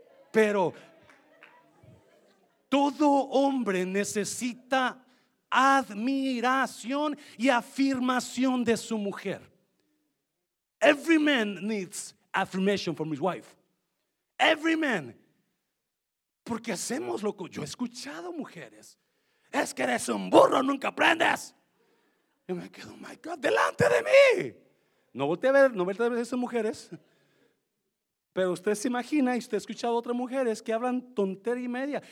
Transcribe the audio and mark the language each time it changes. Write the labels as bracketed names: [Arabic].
[Spanish] Pero todo hombre necesita admiración y afirmación de su mujer. [English] Every man needs affirmation from his wife. Every man. [Spanish] Porque hacemos lo que yo he escuchado mujeres. es que eres un burro, nunca aprendes. Y me quedo, [English] my God, [Spanish] delante de mí. No volteé a ver, no volteé a ver esas mujeres. Pero usted se imagina y usted ha escuchado a otras mujeres que hablan tontera y media.